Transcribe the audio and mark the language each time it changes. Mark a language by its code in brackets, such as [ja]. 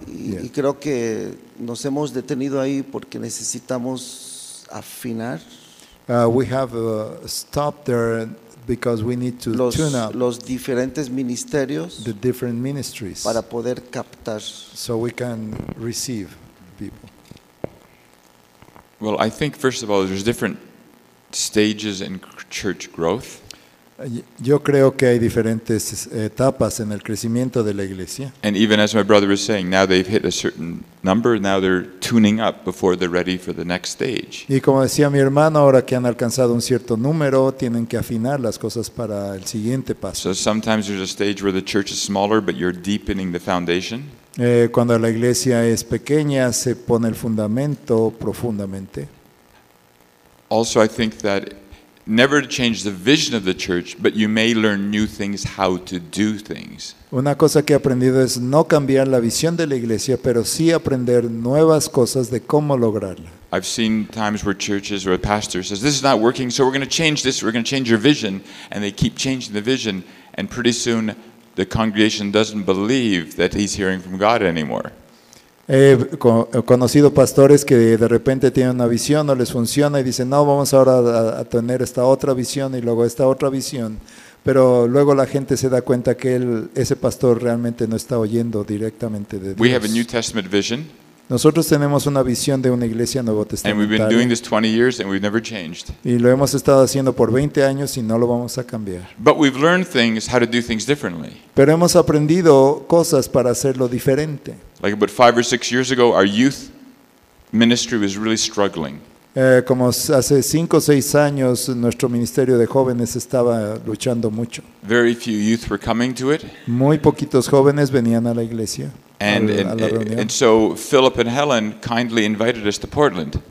[es] Y creo que nos hemos detenido ahí porque necesitamos afinar. [en] We have stopped there because we need to tune up [es] los diferentes ministerios, [en] the different ministries, [es] para poder captar. [en] So we can receive people. Well, I think first of all, there's different stages in church growth. [es] Yo creo que hay diferentes etapas en el crecimiento de la iglesia. [en] And even as my brother was saying, now they've hit a certain number, now they're tuning up before they're ready for the next stage. [es] Y como decía mi hermano, ahora que han alcanzado un cierto número, tienen que afinar las cosas para el siguiente paso. [en] So sometimes there's a stage where the church is smaller, but you're deepening the foundation. [es] Cuando la iglesia es pequeña, se pone el fundamento profundamente. [en] Also, I think that never to change the vision of the church, but you may learn new things how to do things. [es] Una cosa que he aprendido es no cambiar la visión de la iglesia, pero sí aprender nuevas cosas de cómo lograrla. [en] I've seen times where churches or a pastor says, this is not working, so we're going to change this, we're going to change your vision, and they keep changing the vision, and pretty soon the congregation doesn't believe that he's hearing from God anymore. [es] He conocido pastores que de repente tienen una visión, no les funciona y dicen, no, vamos ahora a tener esta otra visión y luego esta otra visión. Pero luego la gente se da cuenta que ese pastor realmente no está oyendo directamente de Dios. [en] We have a New Testament vision. [es] Nosotros tenemos una visión de una iglesia Nuevo Testamento. [en] And we've been doing this 20 years and we've never changed. [es] Y lo hemos estado haciendo por 20 años y no lo vamos a cambiar. [en] But we've learned things how to do things differently. [es] Pero hemos aprendido cosas para hacerlo diferente. [en] Like about 5 or 6 years ago, our youth ministry was really struggling. [es] Como hace 5 o 6 años, nuestro ministerio de jóvenes estaba luchando mucho. [en] Very few youth were coming to it. [es] Muy poquitos jóvenes venían a la iglesia. [en] And so Philip and Helen kindly invited us to Portland.